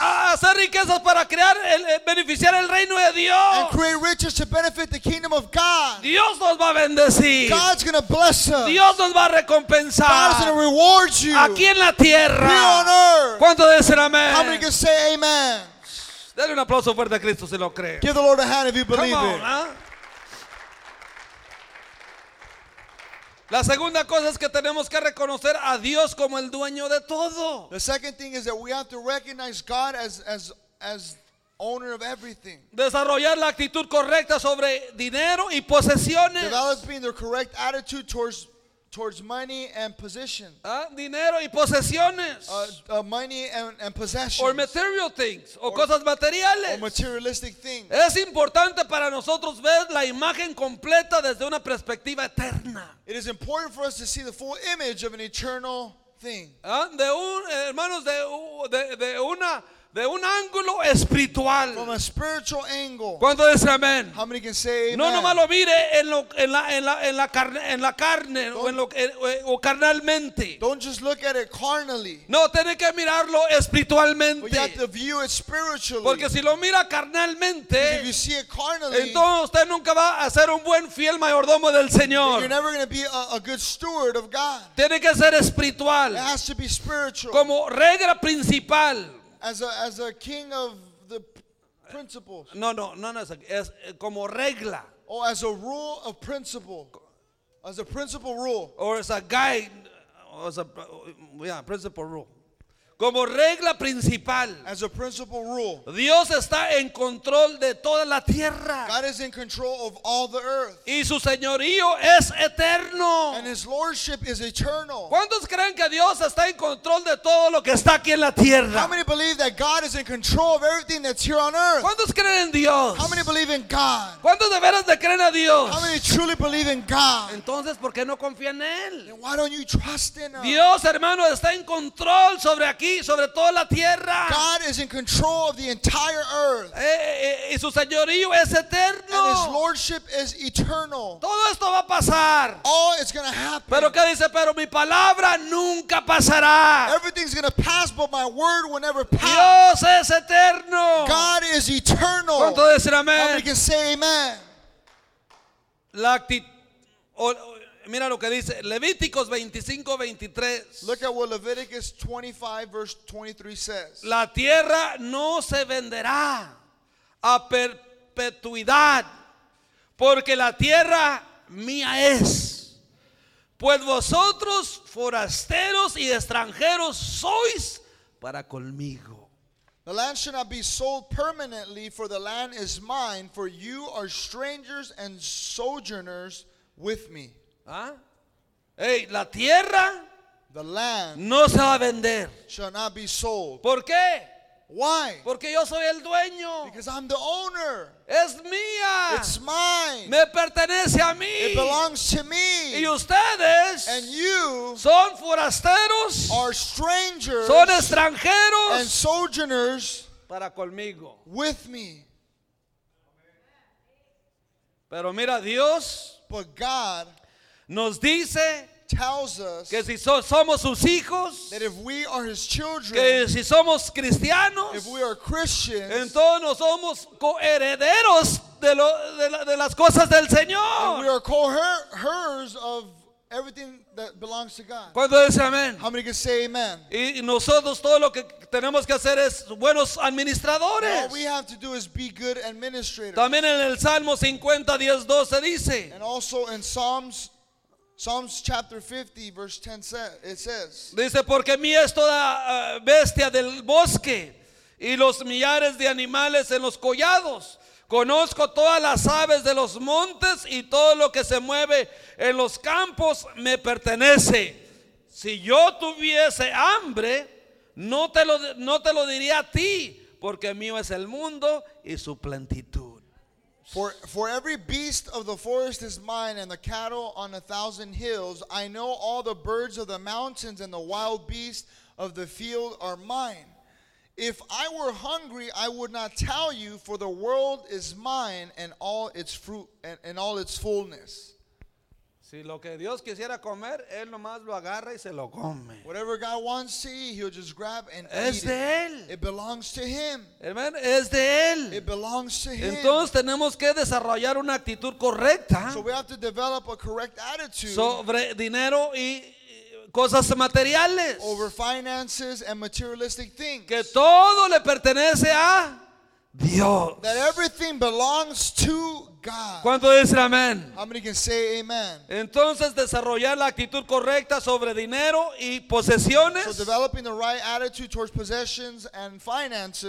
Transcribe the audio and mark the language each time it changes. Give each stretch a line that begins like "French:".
Spanish: a hacer riquezas para crear beneficiar el reino de Dios,
English: and create riches to benefit the kingdom of God,
Spanish: Dios nos va a bendecir.
English: God's going to bless us.
Spanish: Dios nos va a recompensar.
English: God's going to reward you.
Spanish: Aquí en la tierra.
English: Here on earth.
Spanish: ¿Cuánto dicen amén?
English: How many can say amen?
Spanish: Dale un aplauso fuerte a Cristo si lo cree.
English: Give the Lord a hand if you believe it.
Spanish: La segunda cosa es que tenemos que reconocer a Dios como el dueño de todo.
English: The second thing is that we have to recognize God as owner of everything.
Spanish: Desarrollar la actitud correcta sobre dinero y posesiones.
English: Developing the correct attitude towards money and position.
Spanish: Dinero y posesiones.
English: Money and possessions. Or material things.
Spanish: O cosas materiales.
English: Or materialistic things.
Spanish: Es importante para nosotros ver la imagen completa desde una perspectiva eterna.
English: It is important for us to see the full image of an eternal thing.
Spanish: De un, hermanos, de una de un ángulo espiritual.
English: From a spiritual angle.
Spanish: ¿Cuánto dice amén?
English: How many can say amen?
Spanish: No nomás lo mire en lo en la en la en la carne en la carne o en lo o carnalmente.
English: Don't just look at it carnally.
Spanish: No, tiene que mirarlo espiritualmente.
English: But you have to view it spiritually.
Spanish: Porque si lo mira carnalmente,
English: if you see it carnally,
Spanish: entonces usted nunca va a ser un buen fiel mayordomo del Señor.
English: You're never going to be a good steward of God.
Spanish: Tiene que ser espiritual.
English: It has to be spiritual.
Spanish: Como regla principal.
English: As a king of the principles.
Spanish: Es como regla.
English: Or as a rule of principle. As a principle rule. Or as a guide. Or as a principle rule.
Spanish: Como regla principal.
English: As a principle rule.
Spanish: Dios está en control de toda la tierra.
English: God is in control of all the earth.
Spanish: Y su señorío es eterno.
English: And his lordship is eternal.
Spanish: ¿Cuántos creen que Dios está en control de todo lo que está aquí en la tierra?
English: How many believe that God is in control of everything that's here on earth?
Spanish: ¿Cuántos creen en Dios?
English: How many believe in God?
Spanish: ¿Cuántos de veras de creen a Dios?
English: How many truly believe in God?
Spanish: Entonces, ¿por qué no confían en él?
English: Then why don't you trust in him?
Spanish: Dios, hermano, está en control sobre aquí, sobre toda la tierra.
English: God is in control of the entire earth.
Spanish: Y su señorío es eterno.
English: And his lordship is eternal.
Spanish: Todo esto va a pasar.
English: All is going to happen.
Spanish: Pero qué dice, pero mi palabra nunca pasará.
English: Everything's going to pass, but my word will never pass.
Spanish: Dios es eterno.
English: God is eternal.
Spanish: ¿Cuánto decir amén?
English: Somebody can say amen.
Spanish: La actitud. Mira lo que dice Levíticos 25:23.
English: Look at what Leviticus 25 verse 23 says.
Spanish: La tierra no se venderá a perpetuidad, porque la tierra mía es. Pues vosotros forasteros y extranjeros sois para conmigo.
English: The land shall not be sold permanently, for the land is mine, for you are strangers and sojourners with me.
Spanish: ¿Ah? Hey, la tierra,
English: the land,
Spanish: no se va a vender.
English: Shall not be sold.
Spanish: ¿Por qué?
English: Why?
Spanish: Porque yo soy el dueño.
English: Because I'm the owner.
Spanish: Es mía.
English: It's mine.
Spanish: Me pertenece a mí.
English: It belongs to me.
Spanish: Y ustedes,
English: and you,
Spanish: son forasteros,
English: are strangers,
Spanish: son extranjeros,
English: and sojourners,
Spanish: para conmigo,
English: with me.
Spanish: Pero mira, Dios,
English: but God,
Spanish: nos dice,
English: tells us,
Spanish: que si somos sus hijos,
English: that if we are his children,
Spanish: que si somos cristianos,
English: if we are Christians,
Spanish: entonces nos somos coherederos de las cosas del Señor.
English: And we are co-heirs of everything that belongs to God.
Spanish: ¿Cuánto dice amén?
English: How many can say amen?
Spanish: Y nosotros todo lo que tenemos que hacer es buenos administradores.
English: All we have to do is be good administrators.
Spanish: También en el Salmo 50:10-12 dice.
English: And also in Psalms chapter 50 verse 10 it says.
Spanish: Dice, porque mía es toda bestia del bosque y los millares de animales en los collados. Conozco todas las aves de los montes y todo lo que se mueve en los campos me pertenece. Si yo tuviese hambre, no te lo diría a ti, porque mío es el mundo y su plenitud.
English: For every beast of the forest is mine, and the cattle on a thousand hills. I know all the birds of the mountains and the wild beasts of the field are mine. If I were hungry, I would not tell you, for the world is mine and all its fruit and all its fullness.
Spanish: Si lo que Dios quisiera comer, él nomás lo agarra y se lo come.
English: Whatever God wants to eat, he'll just grab and
Spanish: es
English: eat.
Spanish: Es de él.
English: It belongs to him.
Spanish: Amen. Es de él.
English: It belongs to him.
Spanish: Entonces tenemos que desarrollar una actitud correcta.
English: So we have to develop a correct attitude.
Spanish: Sobre dinero y cosas materiales.
English: Over finances and materialistic things.
Spanish: Que todo le pertenece a Dios.
English: That everything belongs to God.
Spanish: ¿Cuánto dice amén?
English: How many can say amen?
Spanish: Entonces desarrollar la actitud correcta sobre dinero y posesiones.
English: So developing the right attitude towards possessions and finances.